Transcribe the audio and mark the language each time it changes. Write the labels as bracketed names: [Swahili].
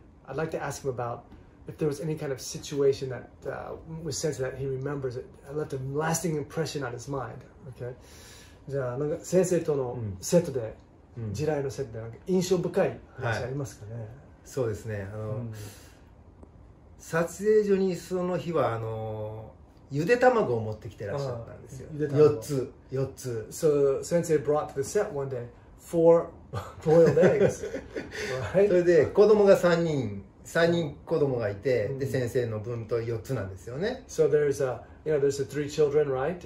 [English] I'd like to ask him about if there was any kind of situation that with Sensei that he remembers that left a lasting impression on his mind. Okay. [Japanese] じゃあなんか先生とのセットで、地雷のセットでなんか印象深い話ありますかね。そうですね。あの、撮影所にその日はあの。ゆで卵を持ってきてらっしゃったんですよ。 4つ。 [English] So Sensei brought to the set one day four boiled eggs. [Japanese] それで子供が3人子供がいて、で先生の分と4つなんですよね。 [English] So there's a, you know, there's a three children, right?